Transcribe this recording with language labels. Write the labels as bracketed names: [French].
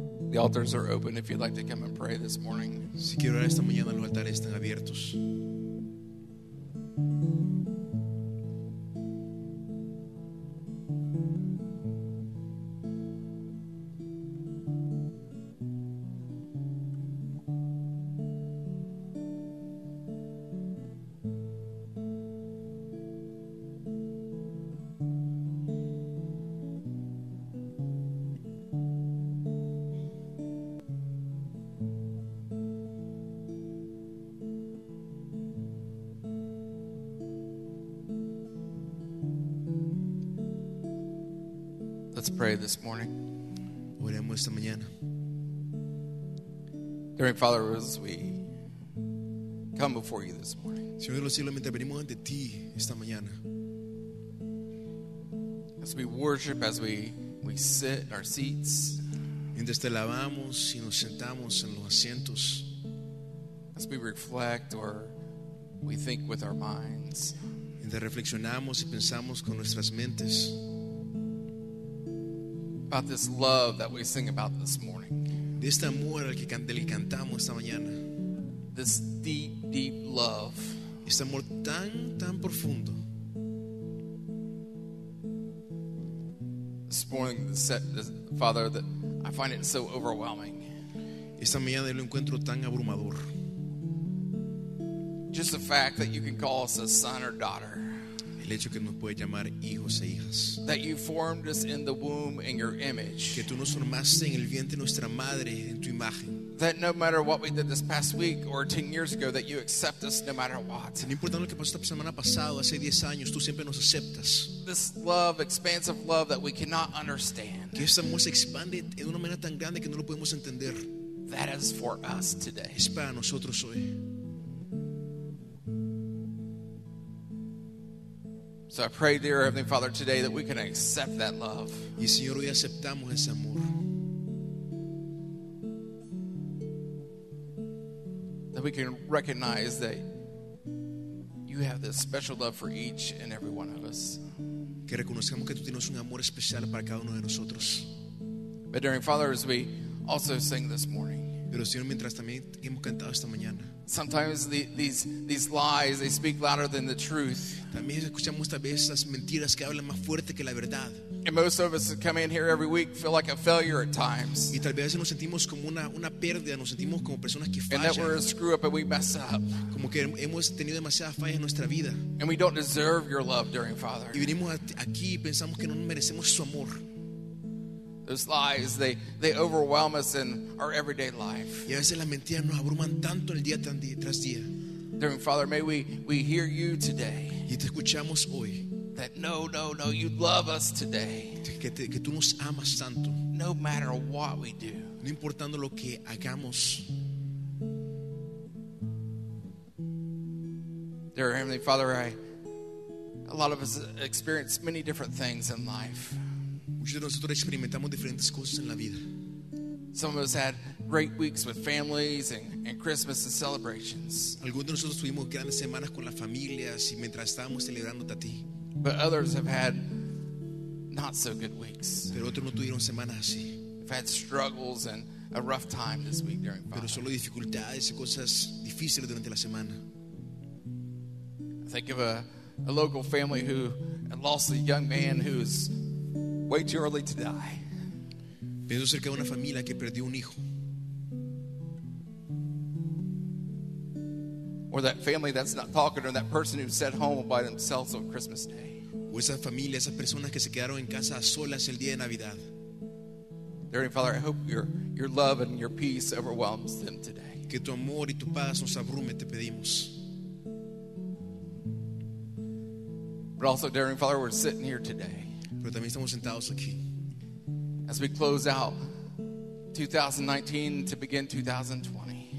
[English] The altars are open if you'd like to come and pray this morning. [Spanish] Si quiero orar esta mañana, los altares están abiertos. [English] This morning. Dear Father, as we come before you this morning, as we worship, as we sit in our seats, [Spanish] mientras te lavamos y nos sentamos en los asientos, [English] as we reflect or we think with our minds, [Spanish] mientras reflexionamos y pensamos con nuestras mentes, [English] about this love that we sing about this morning. [Spanish] De este amor al que cantamos esta mañana. [English] This deep, deep love. [Spanish] Este amor tan, tan profundo. [English] This morning, Father, that I find it so overwhelming. [Spanish] Esta mañana lo encuentro tan abrumador. [English] Just the fact that you can call us a son or daughter. [Spanish] El hecho que nos puede llamar hijos e hijas. [English] That you formed us in the womb in your image. [Spanish] Que tú nos formaste en el vientre de nuestra madre en tu imagen. [English] That no matter what we did this past week or 10 years ago, that you accept us no matter what. [Spanish] No importa lo que pasó esta semana pasada, hace 10 años, tú siempre nos aceptas. [English] This love, expansive love that we cannot understand. [Spanish] Que este amor se expande en una manera tan grande que no lo podemos entender. [English] That is for us today. [Spanish] Es para nosotros hoy. [English] So I pray, dear Heavenly Father, today that we can accept that love. [Spanish] Y Señor, hoy aceptamos ese amor. [English] That we can recognize that you have this special love for each and every one of us. [Spanish] Que reconozcamos que tú tienes un amor especial para cada uno de nosotros. [English] But dear Father, as we also sing this morning. [Spanish] Pero Señor, mientras también hemos cantado esta mañana. [English] Sometimes these lies, they speak louder than the truth. [Spanish] También escuchamos tal vez esas mentiras que hablan más fuerte que la verdad. [English] And most of us come in here every week feel like a failure at times. [Spanish] Y tal vez nos sentimos como una pérdida, nos sentimos como personas que fallan. [English] And that we're a screw up and we mess up. [Spanish] Como que hemos tenido demasiadas fallas en nuestra vida. [English] And we don't deserve your love, dear Father. [Spanish] Y venimos aquí y pensamos que no merecemos su amor. [English] Those lies, they overwhelm us in our everyday life. [Spanish] Y a veces las mentiras nos abruman tanto el día tras día. [English] Dear Father, may we hear you today. [Spanish] Y te escuchamos hoy. [English] That no, you love us today. [Spanish] Que tú nos amas tanto. [English] No matter what we do. [Spanish] No importando lo que hagamos. [English] Dear Heavenly Father, a lot of us experience many different things in life. [Spanish] Muchos de nosotros experimentamos diferentes cosas en la vida. [English] Some of us had great weeks with families and Christmas and celebrations. [Spanish] Algunos de nosotros tuvimos grandes semanas con las familias y mientras estábamos celebrando a ti. [English] But others have had not so good weeks. [Spanish] Pero otros no tuvieron semanas así. [English] We've had struggles and a rough time this week during Father. [Spanish] Pero solo dificultades y cosas difíciles durante la semana. [English] I think of a local family who lost a young man who's way too early to die. [Spanish] Pienso acerca de una familia que perdió un hijo. [English] Or that family that's not talking, or that person who sat home by themselves on Christmas Day. [Spanish] O esa familia, esas personas que se quedaron en casa solas el día de Navidad. [English] Dear Father, I hope your love and your peace overwhelms them today. [Spanish] Que tu amor y tu paz nos abrume, te pedimos. [English] But also, daring Father, we're sitting here today. [Spanish] Pero también estamos sentados aquí. [English] As we close out 2019 to begin 2020.